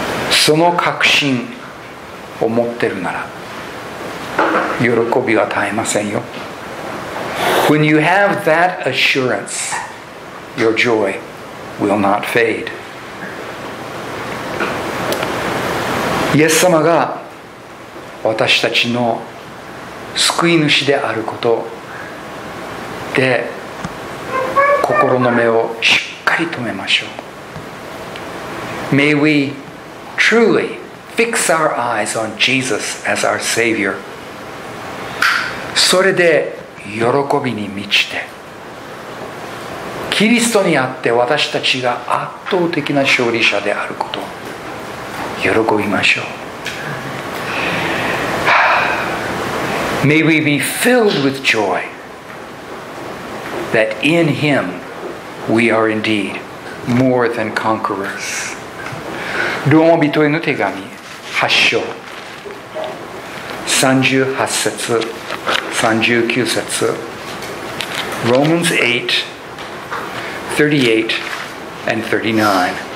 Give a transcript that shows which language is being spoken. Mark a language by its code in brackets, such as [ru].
[ja] その確信を持ってるなら喜びは絶えませんよ。 [en] When you have that assurance,Your joy will not fade. [ja] イエス様が私たちの救い主であることで心の目をしっかり留めましょう。 [en] May we truly fix our eyes on Jesus as our Savior. [ja] それで喜びに満ちて、キリストにあって私たちが圧倒的な勝利者であること喜びましょう。 [en] May we be filled with joy that in Him we are indeed more than conquerors. [ja] ローマ人への手紙8章38節39節 [en] Romans 838 and 39.